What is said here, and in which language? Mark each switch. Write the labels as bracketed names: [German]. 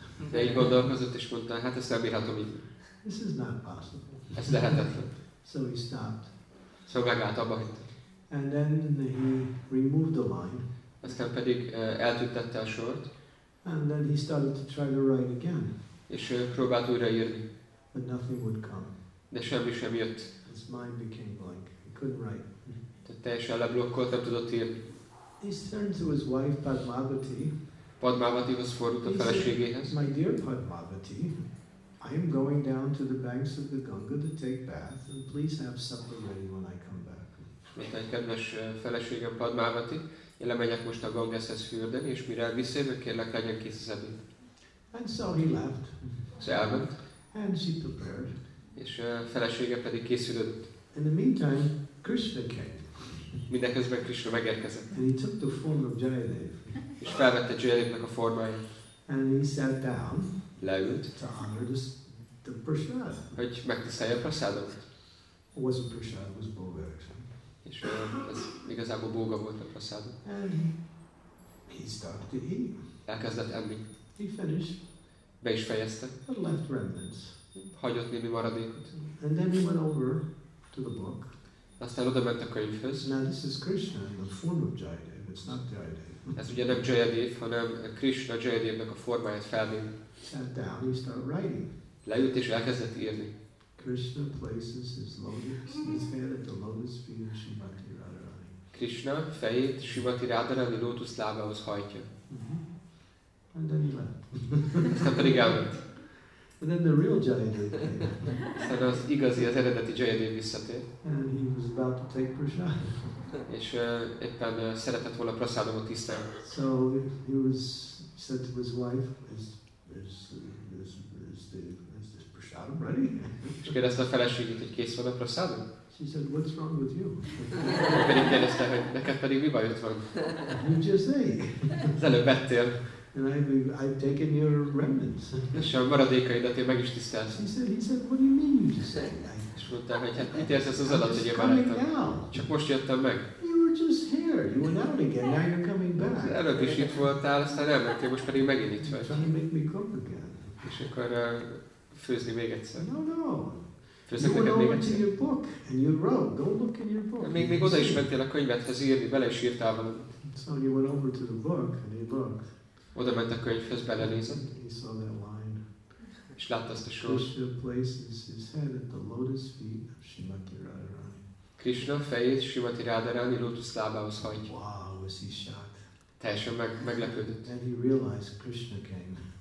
[Hungarian] de így gondolkozott és mondta, hát ezt nem bírhatom így. [English] This is not possible. [Hungarian] Ez lehetetlen. [English] So he stopped. [Hungarian] Szóval megállt, abba hagyta. [English] And then he removed the line. [Hungarian] Aztán pedig eltüntette a sort. [English] And then he started to try to write again. [Hungarian] És próbált újraírni. [English] But nothing would come. [Hungarian] De semmi sem jött. [English] His mind became blank. He couldn't write. [Hungarian] Tehát teljesen leblokkolt, nem tudott írni. [English] He turned to his wife Padmavati. [Hungarian] Padmavatihoz fordult a feleségéhez. [English] My dear Padmavati, I am going down to the banks of the Ganga to take bath, and please have supper ready when I come back. [Hungarian] Mondta egy kedves feleségem Padmavati, én lemegyek most a Gangeshez fürdeni, és mire visszajövök, kérlek, legyen kész az ebéd. [English] And so he left. [Hungarian] Elment. [English] And she prepared. [Hungarian] És felesége pedig készülött. [English] In the meantime, Krishna came. [Hungarian] Mindeközben Krishna megérkezett. [English] And he took the form of Jayadeva. [Hungarian] És felvette Jayadevnek a formáját. [English] And he sat down. [Hungarian] Leült. [English] To honor the prasad. [Hungarian] Hogy megtisztelje a prasadot. [English] It wasn't prasad, it was bhog actually. [Hungarian] És ez igazából bóga volt a prasád. [English] He started to eat. [Hungarian] Elkezdett enni. [English] He finished. [Hungarian] Be is fejezte. [English] And left remnants. [Hungarian] Hagyott némi maradékot. [English] And then he went over to the book. [Hungarian] Aztán oda ment a könyvhöz. [English] Now this is Krishna in the form of Jayadev. It's not Jayadev. [Hungarian] Ez ugye nem Jayadev, hanem Krishna Jayadevnek a formáját felvén. [English] Sat down, he started writing. [Hungarian] Leült és elkezdett írni. [English] Krishna places his lotus, his head at the lotus feet of Srimati Radharani. [Hungarian] Krishna fejét Srimati Radharani lótusz lábához hajtja. [English] And then he left. [Hungarian] Aztán pedig elment. [English] And then the real Jayadev came. [Hungarian] Az igazi, az eredeti Jayadev visszatért. [English] And he was about to take prasad. [Hungarian] És éppen szeretett volna prasadomot tisztelni. [English] So he was said to his wife, is this prasadom ready? [Hungarian] És kérdezte a feleségét, hogy kész van a prasadom? [English] She said, what's wrong with you? [Hungarian] Pedig kérdezte, hogy neked pedig mi bajod van? [English] You just ate. [Hungarian] Az előbb ettél. [English] And I've taken your remnants. [Hungarian] És a maradékaidat én meg is tiszteltem. [English] He said, what do you mean? You just said, [Hungarian] és mondta, hogy hát mit érzesz az alatt, hogy én maradtam? Csak most jöttem meg. [English] You were just here. You went out again. Now you're coming back. [Hungarian] Előbb is itt voltál, aztán elmentél, most pedig megint itt vagy. [English] Trying to make me cook again. [Hungarian] És akkor főzni még egyszer. [English] No. [Hungarian] Főzzek [English] you went [Hungarian] neked over [English] to your book and you wrote. Go look in your book. [Hungarian] Még oda is mentél a könyvedhez írni, bele is írtál valamit. [English] So you went over to the book and you looked. [Hungarian] Oda ment a könyvhöz, belenézett. [English] He saw that line. [Hungarian] És látta azt a sort. [English] Krishna places his head at the lotus feet of Srimati Radharani. [Hungarian] Krishna fejét Srimati Radharani lótusz lábához hajtja. [English] Wow, was he shocked. [Hungarian] Teljesen meglepődött. [English] And he realized Krishna came.